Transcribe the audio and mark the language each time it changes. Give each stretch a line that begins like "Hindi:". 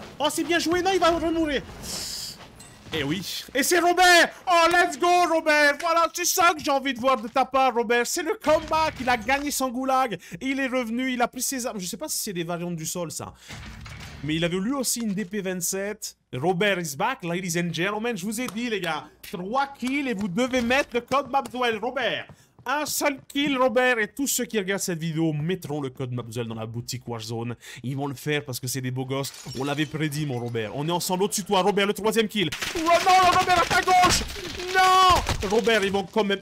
French: Oh, c'est bien joué, non, il va remourir. Et oui. Et c'est Robert. Oh,
English: let's go,
French: Robert. Voilà, c'est ça que j'ai envie de voir de ta part, Robert. C'est le comeback. Il a gagné son goulag. Il est revenu. Il a pris ses armes. Je sais pas si c'est des variantes du sol, ça. Mais il avait lui aussi une DP27.
English: Robert is back, ladies and gentlemen.
French: Je vous ai dit, les gars. 3 kills et vous devez mettre le code Mabzuel, Robert. Un seul kill, Robert. Et tous ceux qui regardent cette vidéo mettront le code Mabzuel dans la boutique Warzone. Ils vont le faire parce que c'est des beaux gosses. On l'avait prédit, mon Robert. On est ensemble au-dessus de toi, Robert, le troisième kill. Oh non, Robert, à ta gauche. Non. Robert, ils vont quand même...